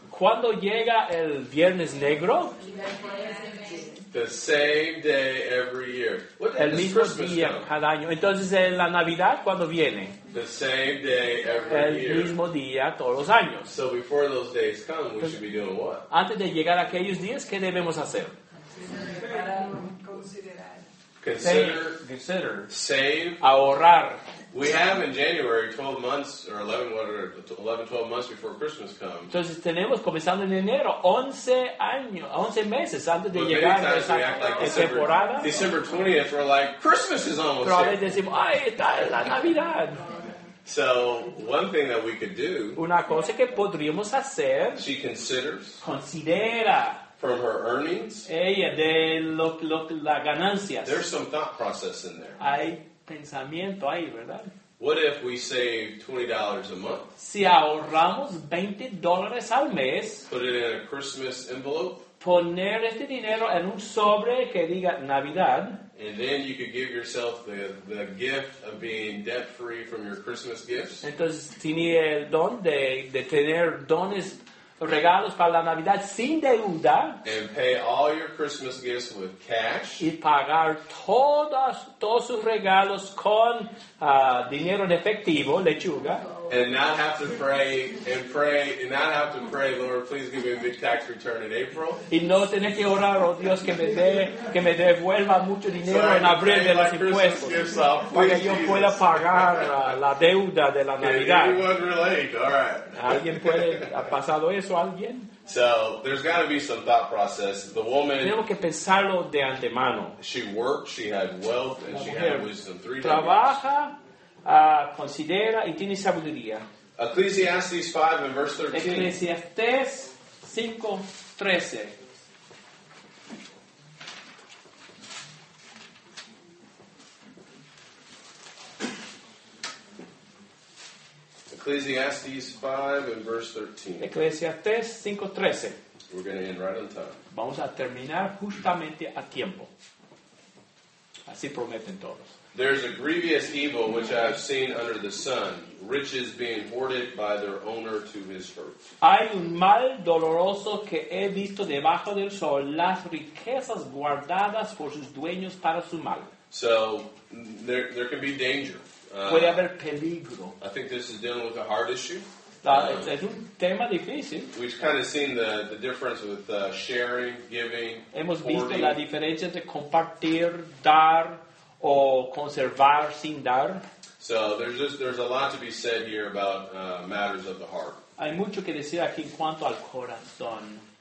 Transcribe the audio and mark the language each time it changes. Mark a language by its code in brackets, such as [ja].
[es] ¿Cuándo llega el Viernes Negro? [en] The same day every year. What, [es] el mismo día cada año. Entonces, ¿en la Navidad cuándo viene? [en] The same day every [es] el [en] year. [es] El mismo día todos los años. [en] So before those days come, we should be doing what? [es] Antes de llegar a aquellos días, ¿qué debemos hacer? [en] Consider. Save. [es] Ahorrar. [en] We have in January 12 months or 11, 12 months before Christmas comes. [es] Entonces tenemos comenzando en enero 11 meses antes de llegar esa temporada. [en] December 20th, we're like Christmas is almost [es] pero [en] here. [es] Pero a veces decimos, ay, está la Navidad. [en] So one thing that we could do. [es] Una cosa que podríamos hacer. [en] She considers. [es] Considera. [en] From her earnings. [es] Ella de lo las ganancias. [en] There's some thought process in there. [es] Hay pensamiento ahí, ¿verdad? [en] What if we save $20 a month? [es] Si ahorramos $20 al mes. [en] Put it in a Christmas envelope. [es] Poner este dinero en un sobre que diga Navidad. [en] And then you could give yourself the gift of being debt-free from your Christmas gifts. [es] Entonces, tiene el don de tener dones regalos para la Navidad sin deuda. [en] And pay all your Christmas gifts with cash. [es] Y pagar todos sus regalos con dinero en efectivo, lechuga. [en] And not have to pray, Lord, please give me a big tax return in April. [es] Y no tener que orar, oh Dios, que me devuelva mucho dinero en abril de los impuestos. Para que yo pueda pagar la deuda de la Navidad. [en] Can anyone relate? All right. [es] ¿Alguien puede? ¿Ha pasado eso a alguien? [en] So there's got to be some thought process. The woman. [es] Tenemos que pensarlo de antemano. [en] She worked, she had wealth, and she had wisdom. Three [es] trabaja. Considera y tiene sabiduría. [en] Ecclesiastes 5 and verse 13. Ecclesiastes 5:13. Ecclesiastes 5 and verse 13. Ecclesiastes 5:13. We're going to end right on time. [es] Vamos a terminar justamente a tiempo. Así prometen todos. [en] There's a grievous evil which I have seen under the sun, riches being hoarded by their owner to his hurt. [es] Hay un mal doloroso que he visto debajo del sol, las riquezas guardadas por sus dueños para su mal. [en] So, there can be danger. [es] Puede haber peligro. [en] I think this is dealing with a hard issue. [es] Es un tema difícil. [en] We've kind of seen the difference with sharing, giving, [es] hemos [en] hoarding. [es] Visto la diferencia entre compartir, dar, o conservar sin dar. [en] So there's a lot to be said here about matters of the heart. [es] Hay mucho que decir aquí en cuanto al corazón.